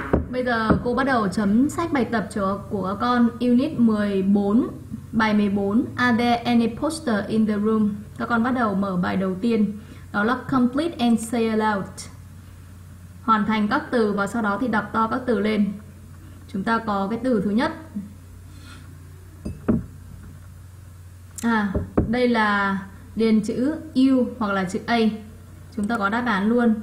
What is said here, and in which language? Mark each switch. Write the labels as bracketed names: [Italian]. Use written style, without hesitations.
[Vietnamese] Bây giờ cô bắt đầu chấm sách bài tập của con Unit 14, bài 14. [English] Are there any poster in the room? [Vietnamese] Các con bắt đầu mở bài đầu tiên. Đó là [English] complete and say aloud. [Vietnamese] Hoàn thành các từ và sau đó thì đọc to các từ lên. Chúng ta có cái từ thứ nhất. À, đây là điền chữ U hoặc là chữ A. Chúng ta có đáp án luôn.